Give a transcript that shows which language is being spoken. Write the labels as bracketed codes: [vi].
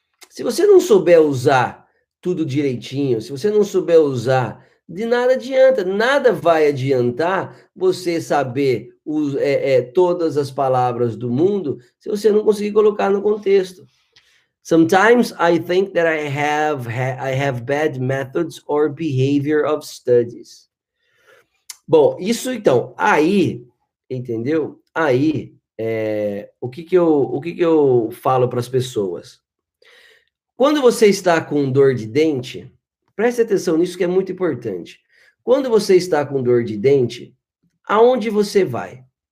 [pt] Se você não souber usar tudo direitinho, se você não souber usar, de nada adianta, nada vai adiantar você saber todas as palavras do mundo se você não conseguir colocar no contexto. [en] Sometimes I think that I have bad methods or behavior of studies. [pt] Bom, isso então, aí, entendeu? Aí, o que que eu falo para as pessoas? Quando você está com dor de dente, preste atenção nisso que é muito importante. Quando você está com dor de dente, aonde você vai?